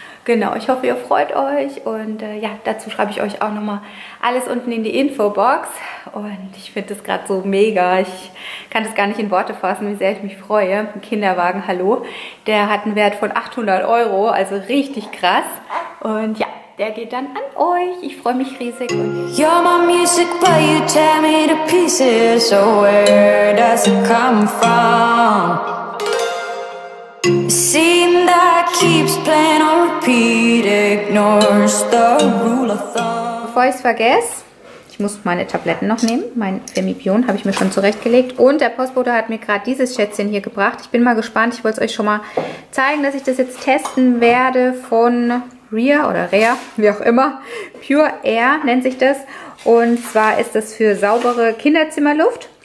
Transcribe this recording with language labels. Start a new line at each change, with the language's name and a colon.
German: Genau, ich hoffe, ihr freut euch und ja, dazu schreibe ich euch auch nochmal alles unten in die Infobox. Und ich finde das gerade so mega. Ich kann das gar nicht in Worte fassen, wie sehr ich mich freue. Ein Kinderwagen, hallo. Der hat einen Wert von 800 Euro, also richtig krass. Und ja. Der geht dann an euch. Ich freue mich riesig.
English: You're my music, but you tear me to pieces. So where does it come from? Scene that keeps playing on repeat ignores the rule of thumb.
German: Bevor ich es vergesse, ich muss meine Tabletten noch nehmen. Mein Femipion habe ich mir schon zurechtgelegt. Und der Postbote hat mir gerade dieses Schätzchen hier gebracht. Ich bin mal gespannt. Ich wollte es euch schon mal zeigen, dass ich das jetzt testen werde von Rhea oder Rhea, wie auch immer. Pure Air nennt sich das. Und zwar ist das für saubere Kinderzimmerluft.